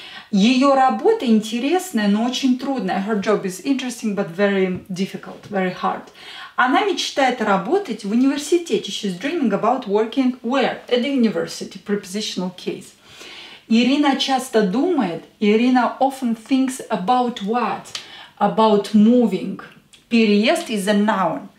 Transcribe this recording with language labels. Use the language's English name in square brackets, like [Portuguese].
[Russian] Ее работа интересная, но очень трудная. [English] Her job is interesting, but very difficult, very hard. [Russian] Она мечтает работать в университете. [English] She's dreaming about working where? At the university. Prepositional case. [Russian] Ирина часто думает. [English] Ирина often thinks about what? About moving. Переезд is a noun.